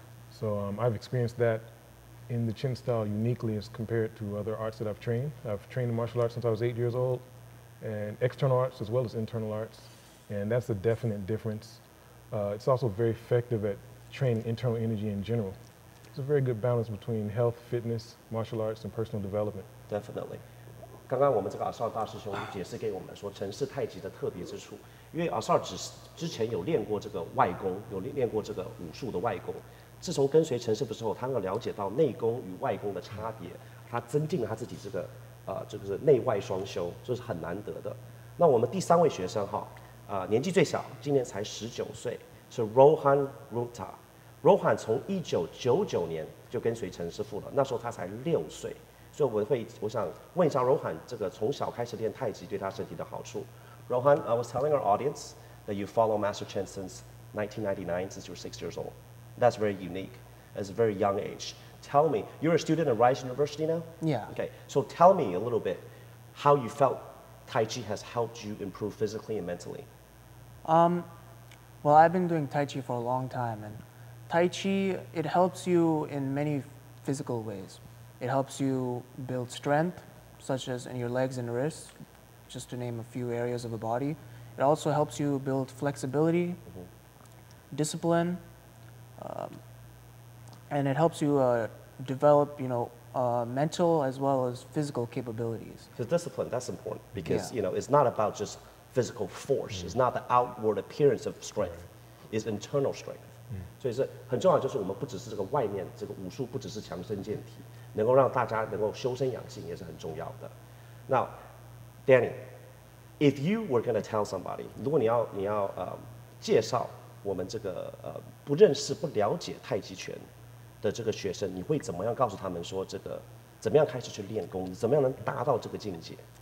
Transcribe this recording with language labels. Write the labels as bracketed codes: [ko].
[en] So I've experienced that in the Chen style uniquely as compared to other arts that I've trained. I've trained in martial arts since I was 8 years old, and external arts as well as internal arts, and that's a definite difference. It's also very effective at training internal energy in general. It's a very good balance between health, fitness, martial arts, and personal development. Definitely. [zh] 刚刚我们这个阿绍大师兄解释给我们说陈式太极的特别之处，因为阿绍之前有练过这个外功，有练过这个武术的外功，自从跟随陈师傅之后，他能了解到内功与外功的差别，他增进了他自己这个这个是内外双修，这是很难得的。那我们第三位学生哈，年纪最小，今年才19岁，是 Rohan Roongta。 Rohan 从1999年就跟随陈师傅了，那时候他才6岁，所以我会我想问一下 Rohan 这个从小开始练太极对他身体的好处。 [en] Rohan, I was telling our audience that you follow Master Chen since 1999, since you're 6 years old. That's very unique. It's a very young age. Tell me, you're a student at Rice University now? Yeah. Okay, so tell me a little bit how you felt Tai Chi has helped you improve physically and mentally. Well, I've been doing Tai Chi for a long time, and Tai Chi, it helps you in many physical ways. It helps you build strength, such as in your legs and wrists, just to name a few areas of the body. It also helps you build flexibility, discipline, and it helps you develop, you know, mental as well as physical capabilities. So discipline, that's important, because, you know, it's not about just physical force. It's not the outward appearance of strength. It's internal strength. [zh] 所以是很重要，就是我们不只是这个外面这个武术，不只是强身健体，能够让大家能够修身养性也是很重要的。 [en] Now, Danny, if you were going to tell somebody, [zh] 如果你要介绍我们这个不认识不了解太极拳的这个学生，你会怎么样告诉他们说这个怎么样开始去练功，怎么样能达到这个境界？